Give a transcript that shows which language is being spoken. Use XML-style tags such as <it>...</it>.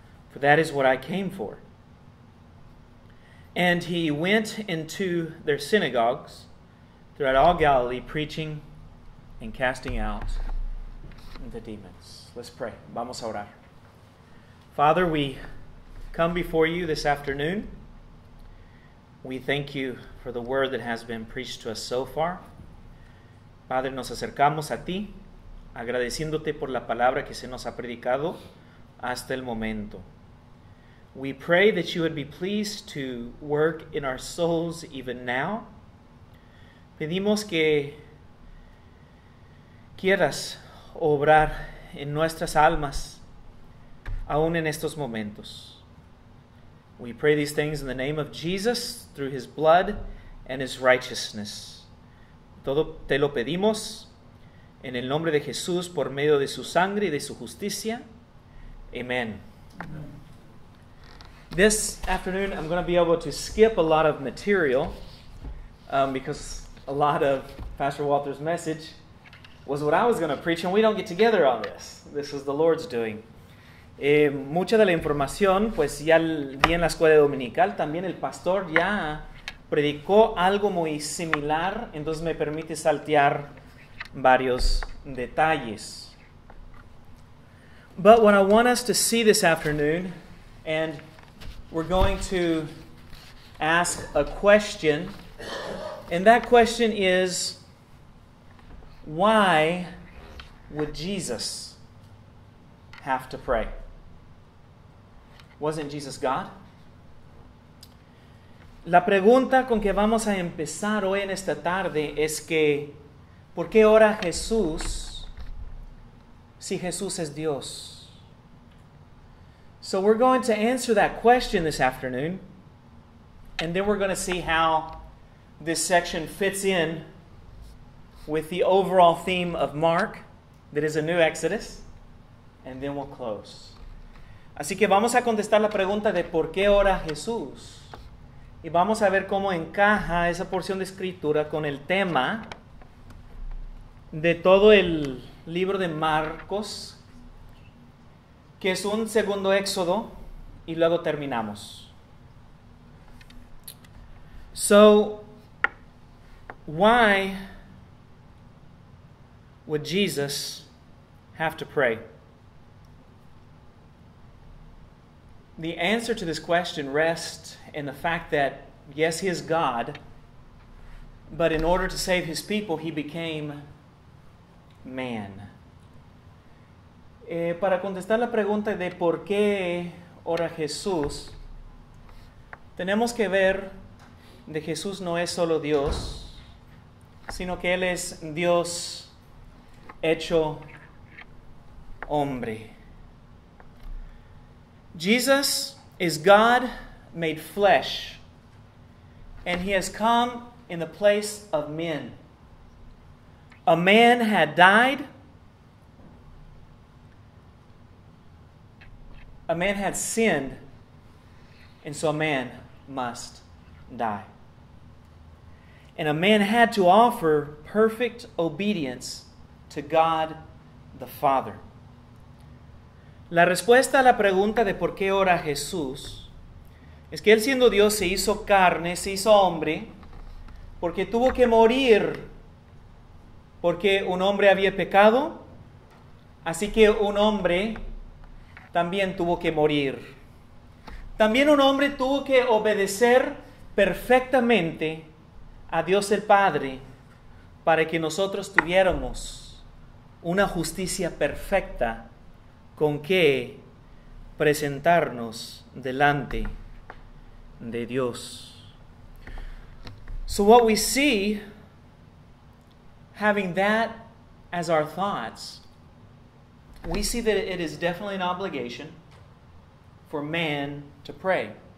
<en>For that is what I came for." And he went into their synagogues throughout all Galilee, preaching and casting out the demons. Let's pray.</en> <es>Vamos a orar.</es> <en>Father, we come before you this afternoon. We thank you for the word that has been preached to us so far.</en> <es>Padre, nos acercamos a ti, agradeciéndote por la palabra que se nos ha predicado hasta el momento.</es> <en>We pray that you would be pleased to work in our souls even now.</en> <es>Pedimos que quieras obrar en nuestras almas aún en estos momentos.</es> <en>We pray these things in the name of Jesus, through his blood and his righteousness.</en> <es>Todo te lo pedimos en el nombre de Jesús, por medio de su sangre y de su justicia.</es> <en>Amen. This afternoon, I'm going to be able to skip a lot of material because a lot of Pastor Walter's message was what I was going to preach, and we don't get together on this. This is the Lord's doing.</en> <es>Mucha de la información, pues ya vi en la escuela dominical, también el pastor ya predicó algo muy similar, entonces me permite saltear varios detalles.</es> <en>But what I want us to see this afternoon, and we're going to ask a question, and that question is, why would Jesus have to pray? Wasn't Jesus God?</en> <es>La pregunta con que vamos a empezar hoy en esta tarde es que, ¿por qué ora Jesús si Jesús es Dios?</es> <en>So we're going to answer that question this afternoon, and then we're going to see how this section fits in with the overall theme of Mark, that is a new Exodus, and then we'll close.</en> <es>Así que vamos a contestar la pregunta de por qué ora Jesús, y vamos a ver cómo encaja esa porción de escritura con el tema de todo el libro de Marcos, que es un segundo éxodo, y luego terminamos.</es> <en>So, why would Jesus have to pray? The answer to this question rests in the fact that, yes, he is God, but in order to save his people, he became man.</en> <es>Para contestar la pregunta de por qué ora Jesús, tenemos que ver de Jesús no es solo Dios, sino que Él es Dios hecho hombre.</es> <en>Jesus is God made flesh, and he has come in the place of men. A man had died. A man had sinned And so a man must die. And a man had to offer perfect obedience to God the Father.</en> <es>La respuesta a la pregunta de por qué ora Jesús es que Él siendo Dios se hizo carne, se hizo hombre, porque tuvo que morir porque un hombre había pecado. Así que un hombre también tuvo que morir. También un hombre tuvo que obedecer perfectamente a Dios el Padre para que nosotros tuviéramos una justicia perfecta con que presentarnos delante de Dios.</es> <en>So what we see, having that as our thoughts, we see that it is definitely an obligation for man to pray.</en>